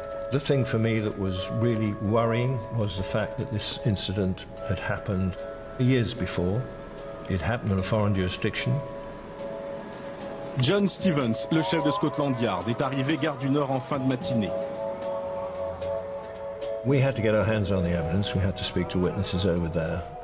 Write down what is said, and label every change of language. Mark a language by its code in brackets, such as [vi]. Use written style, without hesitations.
[en] The thing for me that was really worrying was the fact that this incident had happened years before. It happened in a foreign jurisdiction. [fr] John Stevens, le chef de Scotland Yard, est arrivé Gare du Nord en fin de matinée. [en] We had to get our hands on the evidence. We had to speak to witnesses over there.